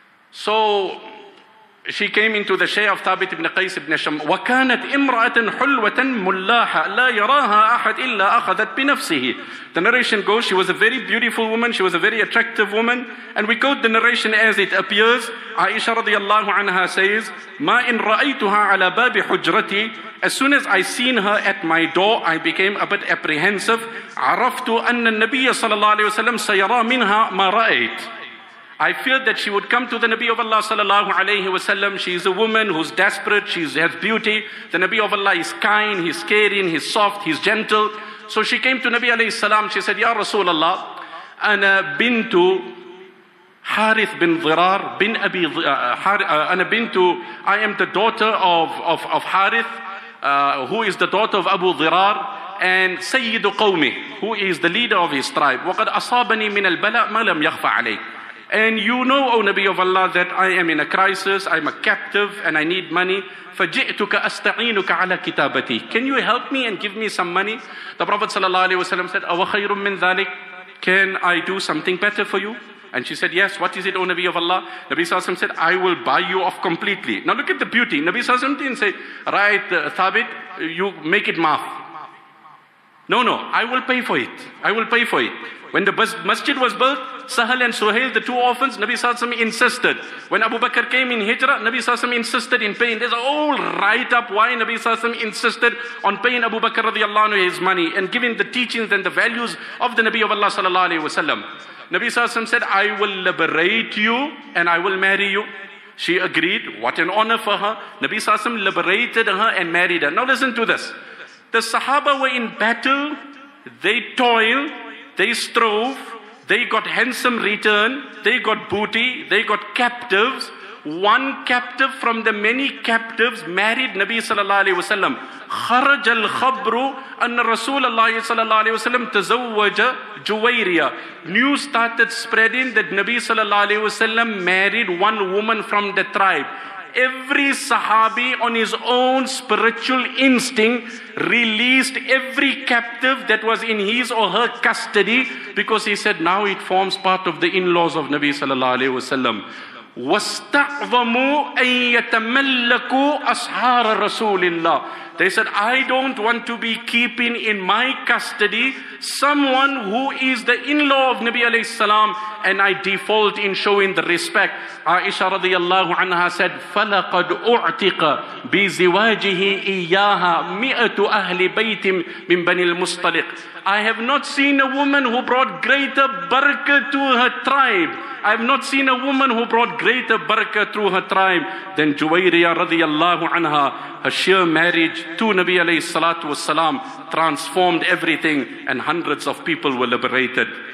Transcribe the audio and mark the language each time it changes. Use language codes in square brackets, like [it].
[en] So she came into the share of Thabit ibn Qais ibn Sham. [ar] وَكَانَتْ إِمْرَأَةً حُلْوَةً مُلَّاحَ لَا يَرَاهَا أَحَدٍ إِلَّا أَخَذَتْ بِنَفْسِهِ. [en] The narration goes, she was a very beautiful woman, she was a very attractive woman. And we quote the narration as it appears. Aisha radiallahu anha says, [ar] مَا إِنْ رَأَيْتُهَا عَلَى بَابِ حُجْرَتِي. [en] As soon as I seen her at my door, I became a bit apprehensive. [ar] عَرَفْتُ أَنَّ النَّبِيَّ صَلَى اللَّهُ عَلَيْهِ وَسَلَّمْ سَيَرَى مِنْهَا مَا رَأَيْتُ. [en] I feared that she would come to the Nabi of Allah sallallahu alayhi wa sallam. She is a woman who's desperate, she has beauty. The Nabi of Allah is kind, he's caring, he's soft, he's gentle. So she came to Nabi alayhi salam. She said, Ya Rasulullah, ana bintu Harith bin Dhirar bin Abi ana bintu, I am the daughter of Harith, who is the daughter of Abu Dhirar, and Sayyidu Qawmi, who is the leader of his tribe. [ar] وَقَدْ أَصَابَنِي مِنَ الْبَلَاءِ مَا لَمْ يَخْفَ عَلَيْهِ. [en] And you know, O Nabi of Allah, that I am in a crisis, I'm a captive, and I need money. [ar] فَجِئْتُكَ أَسْتَعِينُكَ عَلَى كِتَابَتِي. [en] Can you help me and give me some money? The Prophet ﷺ said, [ar] أَوَخَيْرٌ مِّن ذَلِكَ. [en] Can I do something better for you? And she said, yes, what is it, O Nabi of Allah? Nabi Sallallahu Alaihi Wasallam said, I will buy you off completely. Now look at the beauty. Nabi Sallallahu Alaihi Wasallam didn't say, right, Thabit, you make it maaf. No, no, I will pay for it. I will pay for it. When the masjid was built, Sahal and Suhail, the two orphans, Nabi Sallallahu Alaihi Wasallam insisted. When Abu Bakr came in Hijra, Nabi Sallallahu Alaihi Wasallam insisted in paying. There's a whole write-up why Nabi Sallallahu Alaihi Wasallam insisted on paying Abu Bakr radiallahu anhu his money and giving the teachings and the values of the Nabi of Allah sallallahu alayhi wa sallam. Nabi Sallallahu Alaihi Wasallam said, I will liberate you and I will marry you. She agreed. What an honor for her. Nabi Sallallahu Alaihi Wasallam liberated her and married her. Now listen to this. The Sahaba were in battle. They toiled. They strove. They got handsome return. They got booty. They got captives. One captive from the many captives married Nabi Sallallahu Alaihi Wasallam. [ar] خرج الخبر أن رسول الله صلى الله عليه وسلم تزوج جويرية. [en] News started spreading that Nabi صلى الله عليه وسلم married one woman from the tribe. Every Sahabi on his own spiritual instinct released every captive that was in his or her custody, because he said, now it forms part of the in-laws of Nabi صلى الله عليه وسلم. [ar] وَاسْتَعْظَمُوا أَن يَتَمَلَّكُوا أَصْحَارَ رَسُولِ اللَّهِ. [en] They said, I don't want to be keeping in my custody someone who is the in-law of Nabi alayhi salam, and I default in showing the respect. Aisha radiallahu anha said, [ar] فَلَقَدْ أُعْتِقَ بِزِوَاجِهِ إِيَّاهَا مِئَةُ أَهْلِ بَيْتٍ مِّن بَنِي الْمُسْطَلِقِ. [en] I have not seen a woman who brought greater barakah to her tribe. I have not seen a woman who brought greater barakah through her tribe than Juwayriya radiallahu anha. Her sheer marriage to Nabi alayhi salatu wasalam transformed everything, and hundreds of people were liberated.